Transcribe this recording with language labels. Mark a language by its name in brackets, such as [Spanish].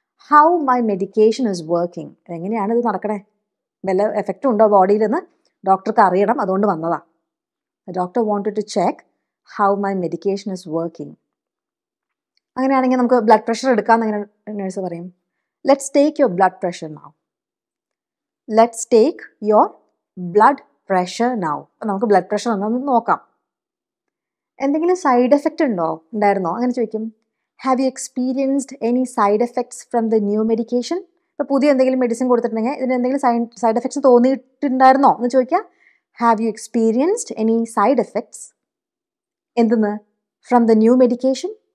[English] how my medication is working, [Malayalam] എങ്ങനെയാണ് ഇത് നടക്കണേ, വല്ല എഫക്റ്റ് ഉണ്ടോ ബോഡിയിലെന്ന് ഡോക്ടർക്ക് അറിയണം, അതുകൊണ്ട് വന്നതാ. [English] Doctor wanted to check how my medication is working. [Malayalam] അങ്ങനെയാണെങ്കിൽ നമുക്ക് ബ്ലഡ് പ്രഷർ എടുക്കാമെന്ന് ഇങ്ങനെ നേഴ്സ് പറയും. [English] Let's take your blood pressure now. Let's take your blood pressure now. [Malayalam] നമുക്ക് ബ്ലഡ് പ്രഷർ ഒന്ന് നോക്കാം. എന്തെങ്കിലും സൈഡ് എഫക്റ്റ് ഉണ്ടോ, ഉണ്ടായിരുന്നോ അങ്ങനെ ചോദിക്കും. [English] Have you experienced any side effects from the new medication? [Malayalam] ഇപ്പോൾ പുതിയ എന്തെങ്കിലും മെഡിസിൻ കൊടുത്തിട്ടുണ്ടെങ്കിൽ ഇതിന് എന്തെങ്കിലും സൈഡ് എഫക്ട്സ് തോന്നിയിട്ടുണ്ടായിരുന്നോ എന്ന് ചോദിക്കാം. [English] have you experienced any side effects [Malayalam] എന്തെന്ന് [English] From the new medication?